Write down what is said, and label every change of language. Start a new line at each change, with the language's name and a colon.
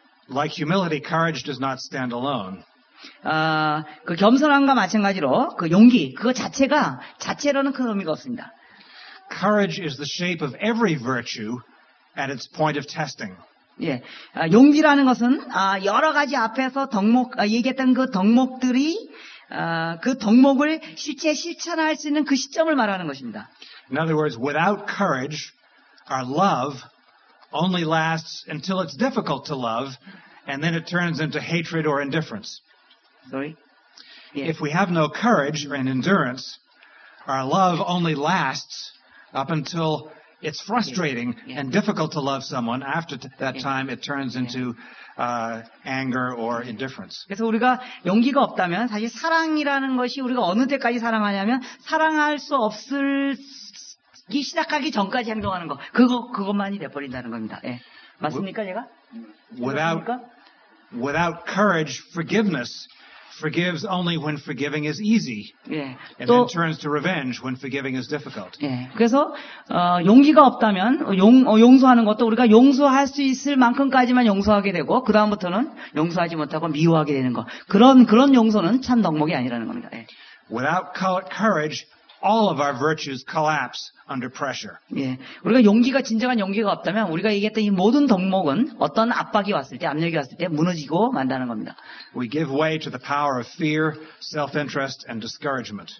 English: Like humility, courage does not stand alone.
Korean: 그 겸손함과 마찬가지로 그 용기 그거 자체로는 큰 의미가 없습니다.
English: Courage is the shape of every virtue at its point of testing.
Korean: 예, 용기라는 것은 여러 가지 앞에서 덕목 얘기했던 그 덕목들이 그 덕목을 실제 실천할 수 있는 그 시점을 말하는 것입니다.
English: In other words, without courage, our love only lasts until it's difficult to love, and then it turns into hatred or indifference. Sorry. Yeah. If we have no courage and endurance, our love only lasts up until it's frustrating and difficult to love someone. After that time, it turns into anger or indifference.
Korean: 그래서 우리가 용기가 없다면 사실 사랑이라는 것이 우리가 어느 때까지 사랑하냐면 사랑할 수 없을기 시작하기 전까지 행동하는 거 그것만이 돼버린다는 겁니다. 예. 맞습니까, 제가?
English: Without courage, forgiveness. Forgives only when forgiving is easy,
Korean: 예,
English: and 또, then turns to revenge when forgiving is difficult.
Korean: 예, 그래서 용기가 없다면 용서하는 것도 우리가 용서할 수 있을 만큼까지만 용서하게 되고 그 다음부터는 용서하지 못하고 미워하게 되는 것 그런 용서는 참 덕목이 아니라는 겁니다. 예.
English: Without courage, all of our virtues collapse under pressure.
Korean: 예, 우리가 용기가 진정한 용기가 없다면 우리가 얘기했던 이 모든 덕목은 어떤 압박이 왔을 때 압력이 왔을 때 무너지고 만다는 겁니다.
English: We give way to the power of fear, self-interest, and discouragement.